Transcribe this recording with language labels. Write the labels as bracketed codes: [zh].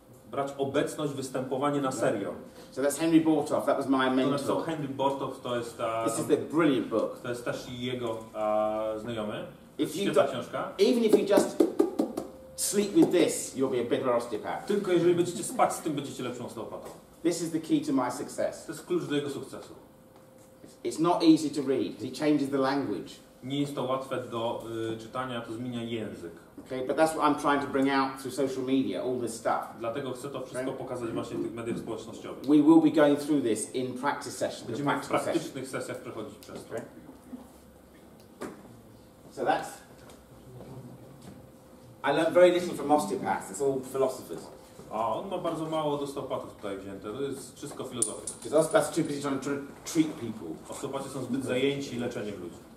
[pl] Brać obecność, występowanie na serio. [en] So that's Henry Bortoff. That was my mentor. [pl] To Henry Bortoff, to jest. [en] This is the brilliant book. [pl] To jest też jego znajomy. Świetna książka. [en] Even if you just sleep with this, you'll be a better osteopath. [pl] Tylko jeżeli będziecie spać z tym, będziecie lepszą osteopatą. [en] This is the key to my success. [pl] To jest klucz do jego sukcesu. [en] It's not easy to read. He changes the language. [pl] Nie jest to łatwe do czytania, to zmienia język. [en] Okay, but that's what I'm trying to bring out through social media, all this stuff. [pl] Dlatego chcę to wszystko pokazać właśnie w tych mediach społecznościowych. [en] We will be going through this in practice sessions. [pl] Będziemy w praktycznych sesjach przechodzić przez to. [en] So that's. I learned very little from osteopaths. It's all philosophers. [pl] A on ma bardzo mało od osteopatów tutaj wzięte. To jest wszystko filozofia. [en] Because osteopaths are too busy trying to treat people. [pl] Osteopaci są zbyt zajęci leczeniem ludzi.